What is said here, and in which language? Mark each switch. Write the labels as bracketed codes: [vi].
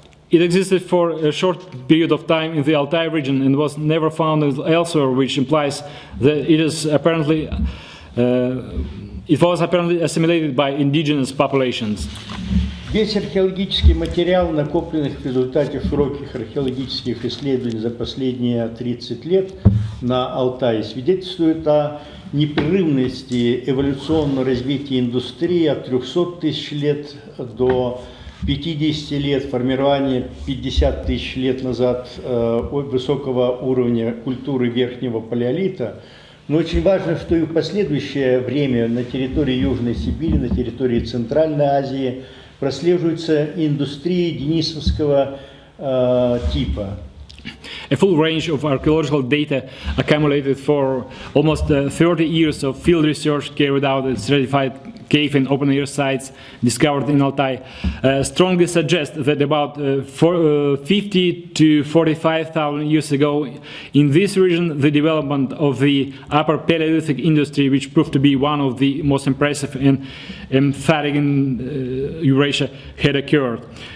[en] It existed for a short period of time in the Altai region and was never found elsewhere, which implies that it is apparently it was apparently assimilated by indigenous populations. [ru] Весь археологический материал, накопленный в результате широких археологических исследований за последние 30 лет на Алтае, свидетельствует о непрерывности эволюционного развития индустрии от 300 тысяч лет до 50 лет, формирования 50 тысяч лет назад высокого уровня культуры верхнего палеолита. Но очень важно, что и в последующее время на территории Южной Сибири, на территории Центральной Азии прослеживается индустрия денисовского типа. [en] A full range of archaeological data accumulated for almost 30 years of field research carried out at stratified cave and open air sites discovered in Altai strongly suggest that about 50 to 45,000 years ago in this region the development of the upper Palaeolithic industry, which proved to be one of the most impressive and emphatic in Eurasia, had occurred.